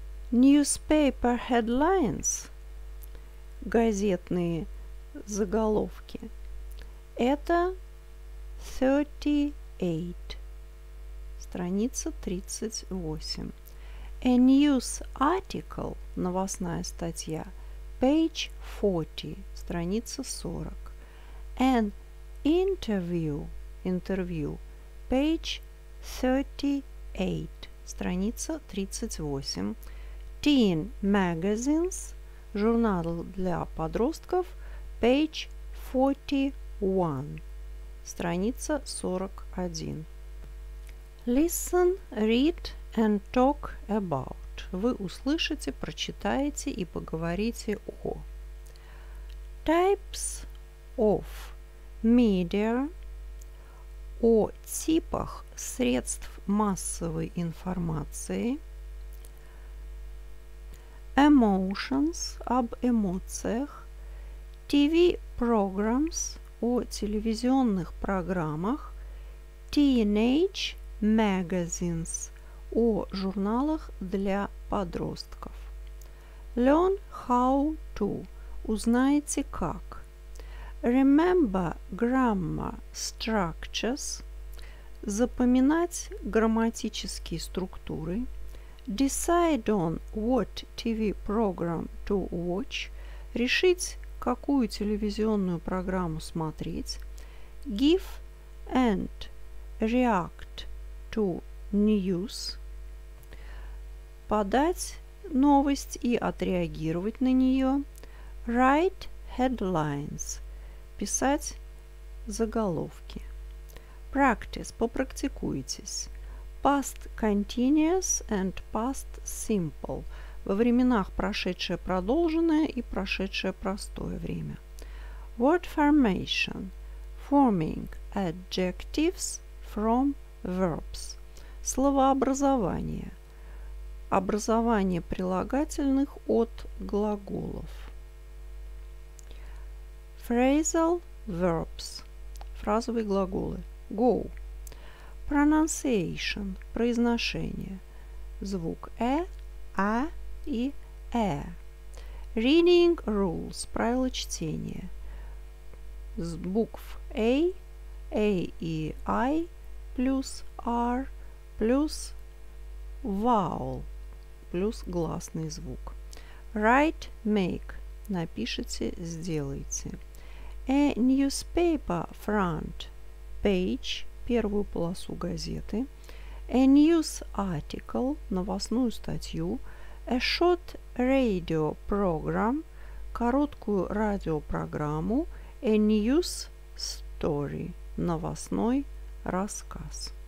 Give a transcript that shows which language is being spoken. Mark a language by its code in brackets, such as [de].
[en] Newspaper headlines. [ru] Газетные заголовки. Это 38, страница 38. [en] A news article, [ru] новостная статья, page 40, страница 40. [en] An interview, интервью, page 38, страница 38. Teen magazines, [ru] журнал для подростков, [en] page 41. [ru] Страница 41. [en] Listen, read and talk about. [ru] Вы услышите, прочитаете и поговорите о. [en] Types of media. [ru] О типах средств массовой информации. [en] Emotions. [ru] Об эмоциях. [en] TV programs. [ru] О телевизионных программах. [en] Teenage magazines. [ru] О журналах для подростков. [en] Learn how to. [ru] Узнайте как. [en] Remember grammar structures. [ru] Запоминать грамматические структуры. [en] Decide on what TV program to watch. [ru] Решить, какую телевизионную программу смотреть. [en] Give and react to news. [ru] Подать новость и отреагировать на нее. [en] Write headlines. [ru] Писать заголовки. [en] Practice. [ru] Попрактикуйтесь. [en] Past continuous and past simple. [ru] Во временах прошедшее продолженное и прошедшее простое время. [en] Word formation. Forming adjectives from verbs. [ru] Словообразование. Образование прилагательных от глаголов. [en] Phrasal verbs. [ru] Фразовые глаголы. [en] Go. [ru] Pronunciation. Произношение. Звук «э», «а» и «э». [en] Reading rules. [ru] Правила чтения. С букв «a», «a» и «i» плюс «r» плюс «vowel» плюс гласный звук. [en] Write – make. [ru] Напишите – сделайте. [en] A newspaper front page – [ru] первую полосу газеты. [en] A news article – [ru] новостную статью. [en] A short radio program – [ru] короткую радиопрограмму. [en] A news story – [ru] новостной рассказ.